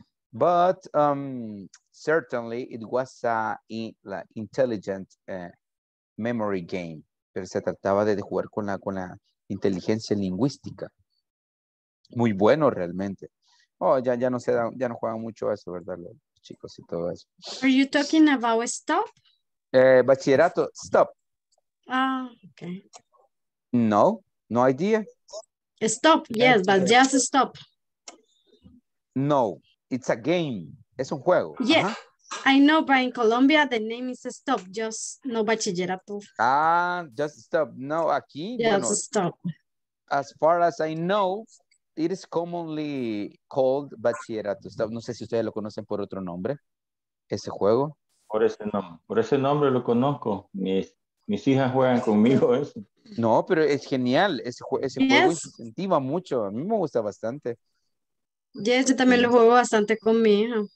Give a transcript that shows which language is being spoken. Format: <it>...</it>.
<en>But certainly it was an intelligent memory game.</en> <es>Pero se trataba de jugar con la inteligencia lingüística. Muy bueno realmente. Oh, ya no juegan mucho eso, ¿verdad? Los chicos y todo eso.</es> <en>Are you talking about stop?</en> <es>Bachillerato, stop.</es> <en>Ah, okay. No, no idea. Stop, yes, but just stop. No, it's a game.</en> <es>Es un juego.</es> <en>Yeah. Uh-huh. I know, but in Colombia, the name is Stop, just no bachillerato. Ah, just stop. No, aquí. Just bueno, stop. As far as I know, it is commonly called bachillerato. Stop.</en> <es>No sé si ustedes lo conocen por otro nombre, ese juego. Por ese nombre lo conozco. Mis hijas juegan conmigo eso. No, pero es genial. Ese yes. juego incentiva mucho. A mí me gusta bastante. Yes, yo también lo juego bastante con mi hija.</es>